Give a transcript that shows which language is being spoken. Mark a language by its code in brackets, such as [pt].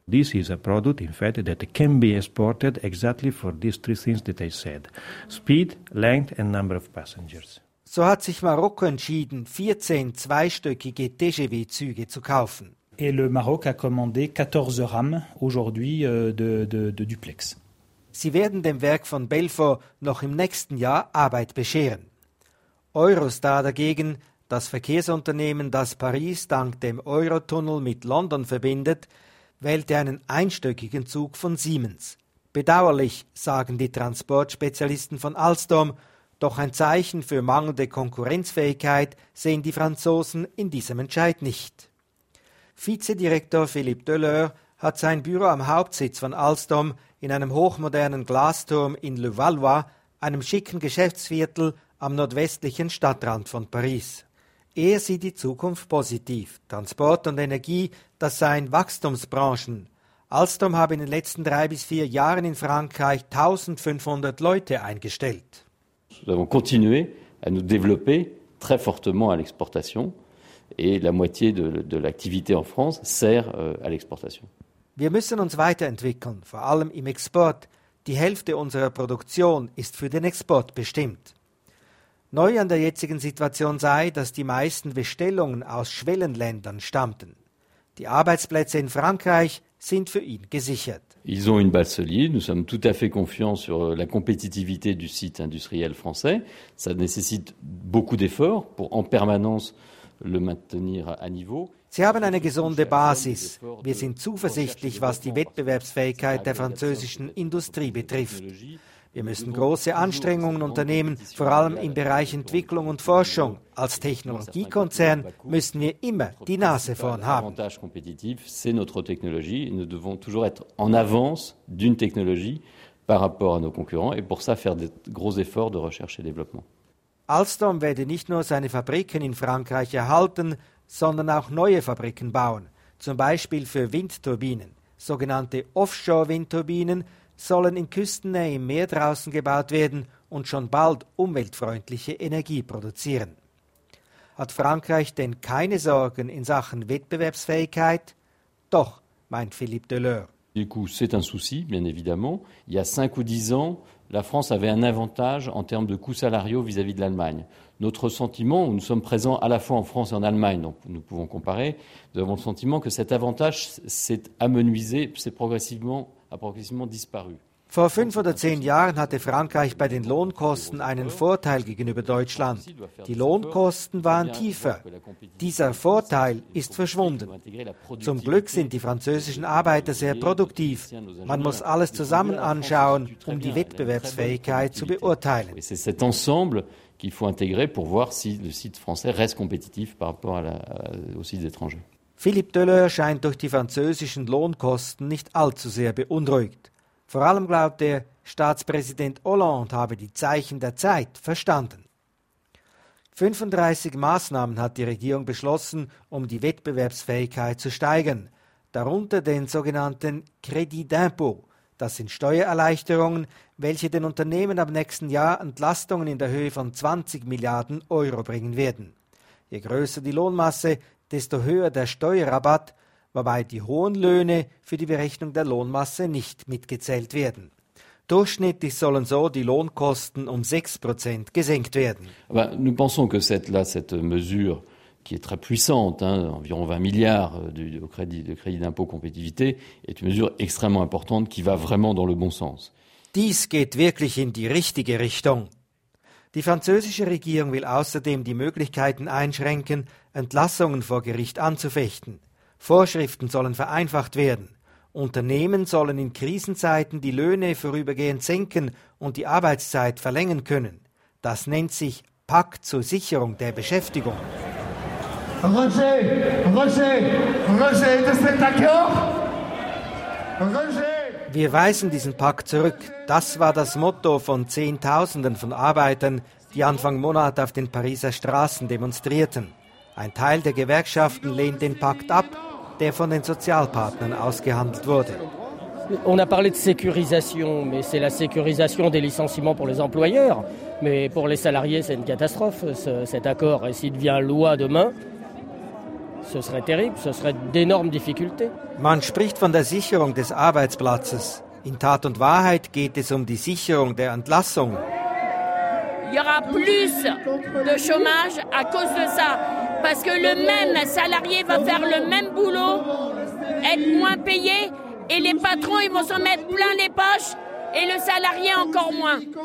[en] This is a product, in fact, that can be exported exactly for these three things that I said. Speed, length and number of passengers. [de] So hat sich Marokko entschieden, 14 zweistöckige TGV-Züge zu kaufen. [fr] Et le Maroc a commandé 14 rames aujourd'hui de duplex. [de] Sie werden dem Werk von Belfort noch im nächsten Jahr Arbeit bescheren. Eurostar dagegen, das Verkehrsunternehmen, das Paris dank dem Eurotunnel mit London verbindet, wählte einen einstöckigen Zug von Siemens. Bedauerlich, sagen die Transportspezialisten von Alstom, doch ein Zeichen für mangelnde Konkurrenzfähigkeit sehen die Franzosen in diesem Entscheid nicht. Vizedirektor Philippe Deleur hat sein Büro am Hauptsitz von Alstom in einem hochmodernen Glasturm in Levallois, einem schicken Geschäftsviertel am nordwestlichen Stadtrand von Paris. Er sieht die Zukunft positiv. Transport und Energie, das seien Wachstumsbranchen. Alstom habe in den letzten 3 bis 4 Jahren in Frankreich 1500 Leute eingestellt. [fr] Nous avons continué à nous développer très fortement à l'exportation et la moitié de l'activité en France sert à l'exportation. [de] Wir müssen uns weiterentwickeln, vor allem im Export. Die Hälfte unserer Produktion ist für den Export bestimmt. Neu an der jetzigen Situation sei, dass die meisten Bestellungen aus Schwellenländern stammten. Die Arbeitsplätze in Frankreich sind für ihn gesichert. [fr] Ils ont une base solide, nous sommes tout à fait confiants sur la compétitivité du site industriel français. Ça nécessite beaucoup d'efforts pour en permanence le maintenir à niveau. [de] Sie haben eine gesunde Basis. Wir sind zuversichtlich, was die Wettbewerbsfähigkeit der französischen Industrie betrifft. Wir müssen große Anstrengungen unternehmen, vor allem im Bereich Entwicklung und Forschung. Als Technologiekonzern müssen wir immer die Nase vorn haben. [fr] Avantage compétitif, c'est notre technologie. Nous devons toujours être en avance d'une technologie par rapport à nos concurrents et pour ça faire des gros efforts de recherche et développement. [de] Alstom werde nicht nur seine Fabriken in Frankreich erhalten, sondern auch neue Fabriken bauen, zum Beispiel für Windturbinen. Sogenannte Offshore-Windturbinen sollen in Küstennähe im Meer draußen gebaut werden und schon bald umweltfreundliche Energie produzieren. Hat Frankreich denn keine Sorgen in Sachen Wettbewerbsfähigkeit? Doch, meint Philippe Deleur. [fr] Du coup, c'est un souci, bien évidemment. Il y a 5 ou 10 ans, la France avait un avantage en termes de coûts salariaux vis-à-vis de l'Allemagne. Notre sentiment, nous sommes présents à la fois en France et en Allemagne, donc nous pouvons comparer, nous avons le sentiment que cet avantage s'est amenuisé, s'est progressivement, a progressivement disparu. [de] Vor 5 oder 10 Jahren hatte Frankreich bei den Lohnkosten einen Vorteil gegenüber Deutschland. Die Lohnkosten waren tiefer. Dieser Vorteil ist verschwunden. Zum Glück sind die französischen Arbeiter sehr produktiv. Man muss alles zusammen anschauen, um die Wettbewerbsfähigkeit zu beurteilen. Es ist [fr] cet ensemble qu'il faut intégrer pour voir si le site français reste compétitif par rapport au site étranger. [de] Philippe Deleur scheint durch die französischen Lohnkosten nicht allzu sehr beunruhigt. Vor allem glaubt er, Staatspräsident Hollande habe die Zeichen der Zeit verstanden. 35 Maßnahmen hat die Regierung beschlossen, um die Wettbewerbsfähigkeit zu steigern. Darunter den sogenannten Crédit d'impôt. Das sind Steuererleichterungen, welche den Unternehmen ab nächsten Jahr Entlastungen in der Höhe von 20 Milliarden Euro bringen werden. Je größer die Lohnmasse, desto höher der Steuerrabatt, wobei die hohen Löhne für die Berechnung der Lohnmasse nicht mitgezählt werden. Durchschnittlich sollen so die Lohnkosten um 6% gesenkt werden. Aber [fr] nous pensons que cette mesure qui est très puissante, hein, environ 20 milliards de crédit d'impôt compétitivité, est une mesure extrêmement importante qui va vraiment dans le bon sens. [de] Dies geht wirklich in die richtige Richtung. Die französische Regierung will außerdem die Möglichkeiten einschränken, Entlassungen vor Gericht anzufechten. Vorschriften sollen vereinfacht werden. Unternehmen sollen in Krisenzeiten die Löhne vorübergehend senken und die Arbeitszeit verlängern können. Das nennt sich Pakt zur Sicherung der Beschäftigung. Wir weisen diesen Pakt zurück. Das war das Motto von Zehntausenden von Arbeitern, die Anfang Monat auf den Pariser Straßen demonstrierten. Ein Teil der Gewerkschaften lehnt den Pakt ab, der von den Sozialpartnern ausgehandelt wurde. [fr] On a parlé de sécurisation, mais c'est la sécurisation des licenciements pour les employeurs. Mais pour les salariés, c'est une catastrophe, cet accord. Et s'il devient loi demain, ce serait terrible, ce serait d'énormes difficultés. [de] Man spricht von der Sicherung des Arbeitsplatzes. In Tat und Wahrheit geht es um die Sicherung der Entlassung. [fr] Il y aura plus de chômage à cause de ça. Parce que le même salarié va faire le même boulot, être moins payé, et les patrons ils vont s'en mettre plein les poches, et le salarié encore moins.